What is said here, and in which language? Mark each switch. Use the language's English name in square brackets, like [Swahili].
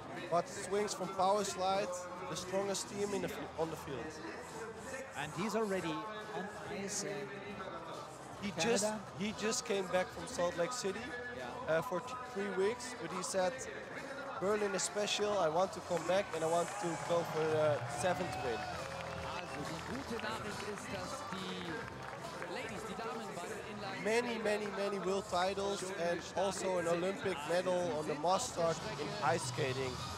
[English] Bart Swings from Power Slide, the strongest team in the on the field. And he's already on ice. He just came back from Salt Lake City, yeah, for 3 weeks, but he said, Berlin is special, I want to come back and I want to go for the 7th win. [German] Also, die gute Nachricht ist, dass die Ladies, die Damen bei den Inline [English] many world titles and also an Olympic medal on the mass start in ice skating.